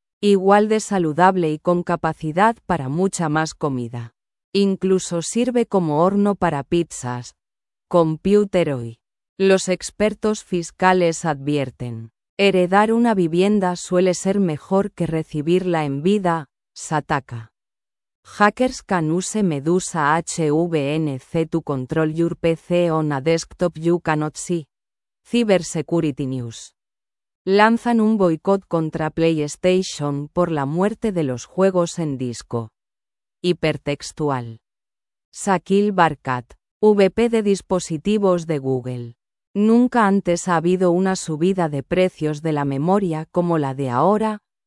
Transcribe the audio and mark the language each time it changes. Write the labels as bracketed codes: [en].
[es] Igual de saludable y con capacidad para mucha más comida. Incluso sirve como horno para pizzas. Computer OI. Los expertos fiscales advierten. Heredar una vivienda suele ser mejor que recibirla en vida. Sataka. [en] Hackers can use Medusa HVNC to control your PC on a desktop you cannot see. Cybersecurity News. [es] Lanzan un boicot contra PlayStation por la muerte de los juegos en disco. Hipertextual. Shakil Barkat, VP de dispositivos de Google. Nunca antes ha habido una subida de precios de la memoria como la de ahora.